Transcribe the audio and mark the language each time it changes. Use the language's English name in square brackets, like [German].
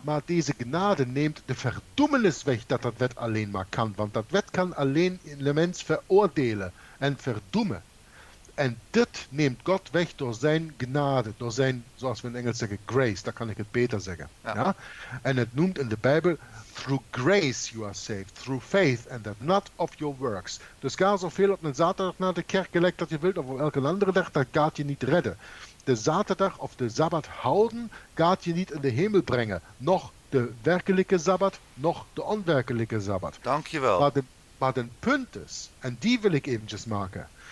[Dutch] Maar deze genade neemt de verdoemenis weg dat dat wet alleen maar kan. Want dat wet kan alleen de mens veroordelen en verdoemen. En dit neemt God weg door zijn genade. Door zijn, zoals we in Engels zeggen, grace. Daar kan ik het beter zeggen. Ja. Ja? En het noemt in de Bijbel, [English] through grace you are saved. Through faith and that not of your works. [Dutch] Dus ga zoveel op een zaterdag naar de kerk gelijk dat je wilt. Of op elke andere dag, dat gaat je niet redden. De zaterdag of de sabbat houden gaat je niet in de hemel brengen. Nog de werkelijke sabbat, nog de onwerkelijke sabbat. Dankjewel. Maar de punt is, en die wil ik eventjes maken.